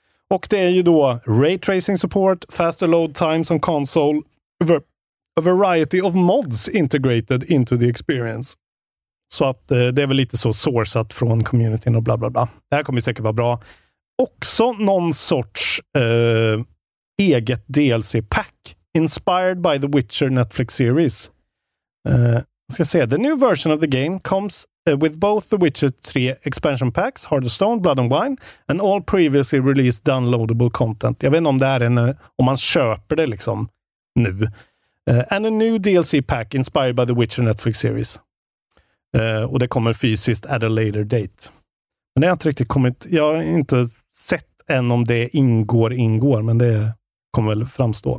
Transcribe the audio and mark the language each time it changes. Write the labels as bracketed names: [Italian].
[Swedish] Och det är ju då [English] ray tracing support, faster load time som console, a variety of mods integrated into the experience. [Swedish] Så att det är väl lite så sourcat från communityn och bla bla bla. Det här kommer säkert vara bra. Också någon sorts eget DLC-pack. [English] Inspired by The Witcher Netflix series. [Swedish] Ska jag säga. [English] The new version of the game comes with both The Witcher 3 expansion packs. Heart of Stone, Blood and Wine. And all previously released downloadable content. [Swedish] Jag vet inte om det är om man köper det liksom nu. [English] And a new DLC pack inspired by The Witcher Netflix series. [Swedish] Och det kommer fysiskt [English] at a later date. [Swedish] Men det har inte riktigt kommit, jag har inte sett än om det ingår, men det kommer väl framstå.